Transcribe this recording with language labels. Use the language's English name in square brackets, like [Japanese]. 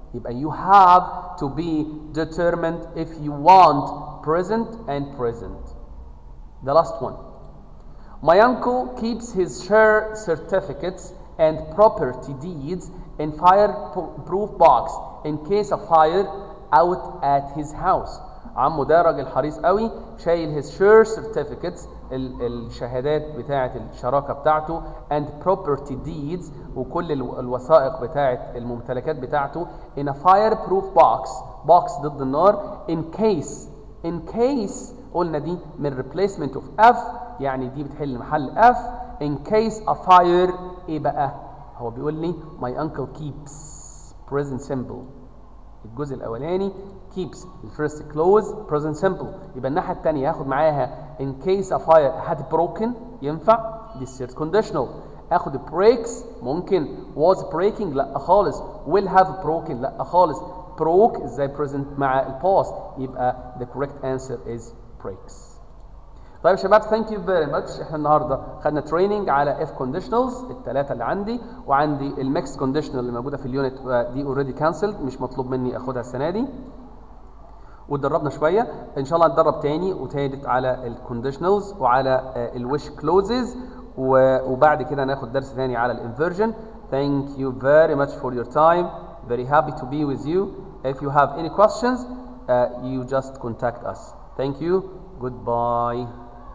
[English] يبقى you have to be determined if you want present and present. The last one. My uncle keeps his share certificates and property deeds in fireproof box in case of fire out at his house. [Arabic] عمو ده راجل حريص قوي شايل [English] his share certificates [Arabic] الشهادات بتاعة الشراكة بتاعته [English] and property deeds [Arabic] وكل الوثائق بتاعة الممتلكات بتاعته [English] in a fireproof box [Arabic] box ضد النار in case قلنا دي من [English] replacement of F [Arabic] يعني دي بتحل محل F [English] in case of fire. [Arabic] ايه بقى هو بيقول لي [English] my uncle keeps present simple الجزء الاولاني keeps the first clause present simple [Arabic] يبقى الناحية التانية هاخد معاها [English] in case of fire had broken ينفع this third conditional اخد breaks ممكن was breaking لا خالص will have broken لا خالص broke ازاي present مع الpost يبقى the correct answer is breaks. [Arabic] طيب شباب [English] thank you very much. [Arabic] احنا النهاردة خدنا training على if conditionals التلاتة اللي عندي وعندي المكس conditional اللي موجودة في اليونت دي [English] already cancelled [Arabic] مش مطلوب مني اخدها السنة دي ودربنا شوية ان شاء الله نتدرب تاني وتالت على الconditionals وعلى الwish clauses وبعد كده ناخد درس تاني على الinversion. [English] Thank you very much for your time. Very happy to be with you. If you have any questions you just contact us. Thank you. Goodbye.